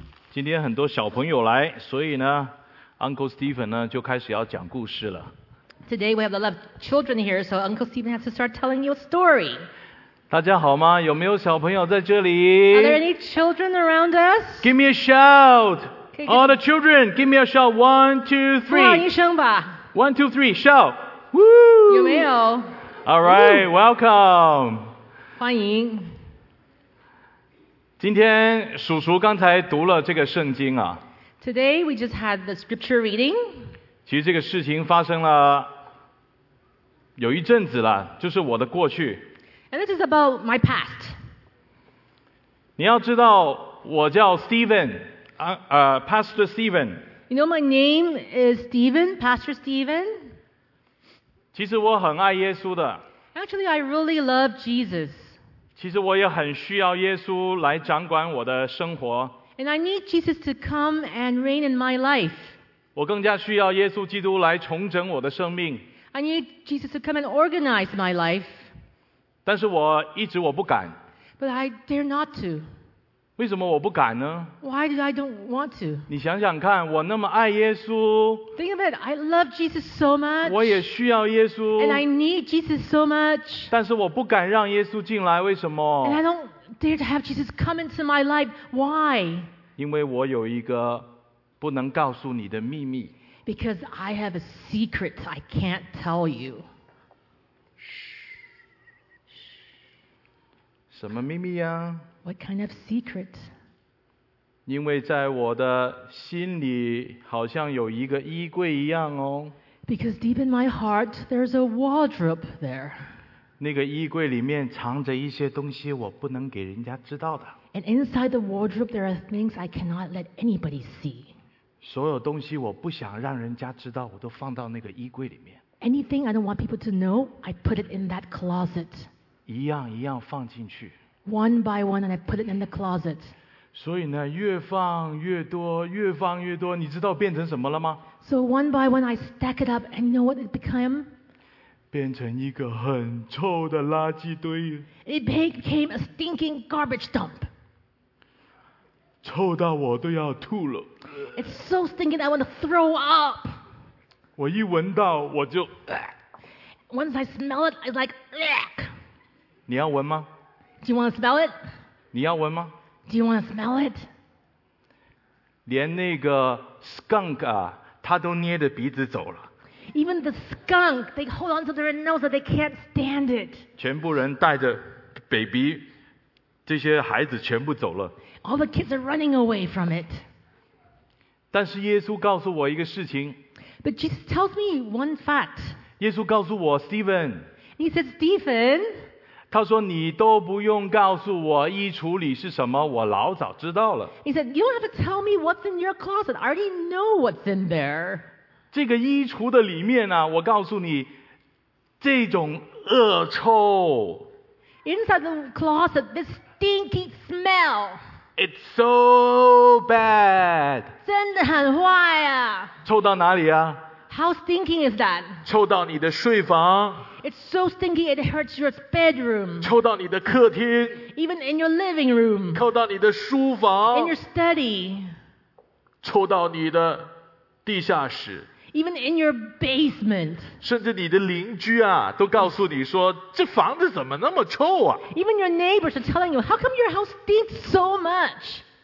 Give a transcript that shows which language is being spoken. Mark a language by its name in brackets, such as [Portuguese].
[Chinese] 今天很多小朋友来，所以呢 ，Uncle Stephen 呢就开始要讲故事了。 [English] Today we have a lot of children here, so Uncle Stephen has to start telling you a story. [Chinese] 大家好吗？有没有小朋友在这里 [English] ？Are there any children around us? Give me a shout! Okay, all the children, give me a shout! 1, 2, 3. [Chinese] 呼喊一声吧。 [English] 1, 2, 3, shout! Woo! [Chinese] 有没有 [English] ？All right, welcome. [Chinese] 欢迎。今天叔叔刚才读了这个圣经啊。 [English] Today we just had the scripture reading. [Chinese] 其实这个事情发生了有一阵子了，就是我的过去。 [English] And this is about my past. [Chinese] 你要知道，我叫 Stephen, Pastor Stephen. [English] You know my name is Stephen, Pastor Stephen. [Chinese] 其实我很爱耶稣的。 [English] Actually, I really love Jesus. [Chinese] 其实我也很需要耶稣来掌管我的生活。 [English] And I need Jesus to come and reign in my life. [Chinese] 我更加需要耶稣基督来重整我的生命。 [English] I need Jesus to come and organize my life. [Chinese] 但是我一直我不敢。 [English] But I dare not to. [Chinese] 为什么我不敢呢 [English] ？Why did I don't want to? [Chinese] 你想想看，我那么爱耶稣。 [English] Think of it. I love Jesus so much. [Chinese] 我也需要耶稣。 [English] And I need Jesus so much. [Chinese] 但是我不敢让耶稣进来，为什么 [English] ？And I don't dare to have Jesus come into my life. Why? [Chinese] 因为我有一个不能告诉你的秘密。 [English] Because I have a secret I can't tell you. [Chinese] 什么秘密呀？ [English] What kind of secret? [Chinese] 因为在我的心里好像有一个衣柜一样哦。 [English] Because deep in my heart, there's a wardrobe there. [Chinese] 那个衣柜里面藏着一些东西我不能给人家知道的。 [English] And inside the wardrobe, there are things I cannot let anybody see. [Chinese] 所有东西我不想让人家知道，我都放到那个衣柜里面。 [English] Anything I don't want people to know, I put it in that closet. [Chinese] 一样一样放进去。 [English] One by one, and I put it in the closet. [Chinese] 所以呢，越放越多，越放越多，你知道变成什么了吗 [English] ？So one by one, I stack it up, and you know what it became? [Chinese] 变成一个很臭的垃圾堆。 [English] It became a stinking garbage dump. [Chinese] 臭到我都要吐了。 [English] It's so stinking, I want to throw up. [Chinese] 我一闻到我就。 [English] Once I smell it, I'm like. [Chinese] 你要闻吗？ [English] Do you want to smell it? [Chinese] 你要闻吗 [English] ？Do you want to smell it? [Chinese] 连那个 skunk 啊，他都捏着鼻子走了。 [English] Even the skunk, they hold on to their nose that they can't stand it. [Chinese] 全部人带着 baby， 这些孩子全部走了。 [English] All the kids are running away from it. [Chinese] 但是耶稣告诉我一个事情。 [English] But Jesus tells me one fact. [Chinese] 耶稣告诉我 ，Stephen. [English] He says, Stephen. [Chinese] 他说你都不用告诉我衣橱里是什么我老早知道了。 [English] He said, you don't have to tell me what's in your closet. I already know what's in there. [Chinese] 这个衣橱的里面啊我告诉你这种恶臭。 [English] Inside the closet, this stinky smell. It's so bad. [Chinese] 真的很坏啊。臭到哪里啊 [English] ?How stinking is that? [Chinese] 臭到你的睡房。 [English] It's so stinky, it hurts your bedroom. [Chinese] 臭到你的客厅。 [English] Even in your living room. [Chinese] 臭到你的书房。 [English] In your study. [Chinese] 臭到你的地下室。 [English] Even in your basement. [Chinese] 甚至你的邻居啊，都告诉你说，这房子怎么那么臭啊？ [English] Even your neighbors are telling you, how come your house stinks so much?